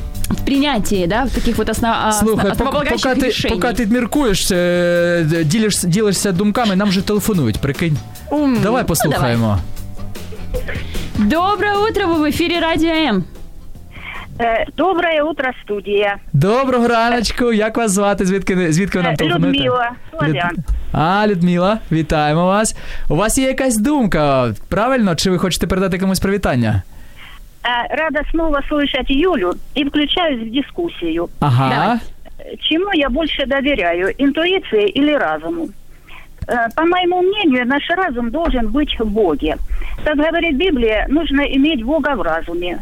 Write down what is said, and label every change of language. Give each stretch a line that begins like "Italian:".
Russian: В принятии, да, в таких вот основополагающих решений.
Ukrainian: Пока ты меркуешь, делишься думками, нам же телефонують, прикинь. Давай послухаємо. Давай.
Russian: Доброе утро, вы в эфире Радио М. Доброе утро, студия.
Ukrainian: Доброго раночку, як вас звати, звідки ви нам телефонуєте? Людмила. Людмила, вітаємо вас. У вас є якась думка, правильно, чи ви хочете передати комусь привітання?
Russian: Рада снова слышать Юлю и включаюсь в дискуссию. Ага. Чему я больше доверяю, интуиции или разуму? По моему мнению, наш разум должен быть в Боге. Как говорит Библия, нужно иметь Бога в разуме.